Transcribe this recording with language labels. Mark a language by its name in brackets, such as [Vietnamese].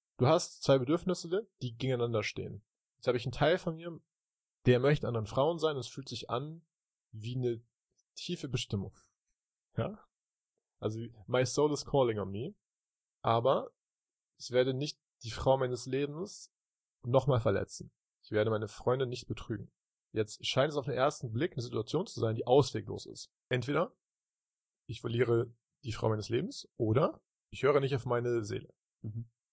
[German] du hast zwei Bedürfnisse, die gegeneinander stehen. Jetzt habe ich einen Teil von mir, der möchte anderen Frauen sein, es fühlt sich an wie eine tiefe Bestimmung. Ja? [English] Also, my soul is calling on me. [German] Aber ich werde nicht die Frau meines Lebens nochmal verletzen. Ich werde meine Freundin nicht betrügen. Jetzt scheint es auf den ersten Blick eine Situation zu sein, die ausweglos ist. Entweder ich verliere die Frau meines Lebens oder ich höre nicht auf meine Seele. Mhm.